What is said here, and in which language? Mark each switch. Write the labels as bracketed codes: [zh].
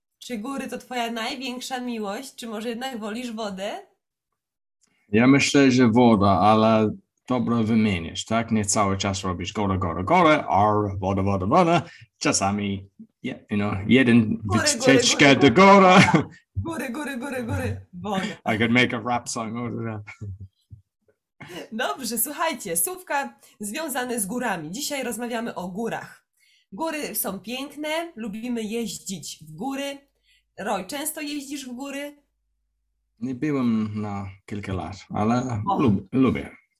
[pl] Czy góry to twoja największa miłość? Czy może jednak wolisz wodę? Ja myślę, że woda, ale dobrze wymienisz, tak? Nie cały czas robisz góry, góry, góry, or woda, woda, woda. Czasami, [en] you know, [pl] jeden wycieczkę do góry. Góry, góry, góry, góry, woda. [en] I could make a rap song out of that. [pl] Dobrze, słuchajcie, słówka związane z górami. Dzisiaj rozmawiamy o górach. Góry są piękne, lubimy jeździć w góry. Roy, często jeździsz w góry? Nie byłem na kilka lat, ale lubię.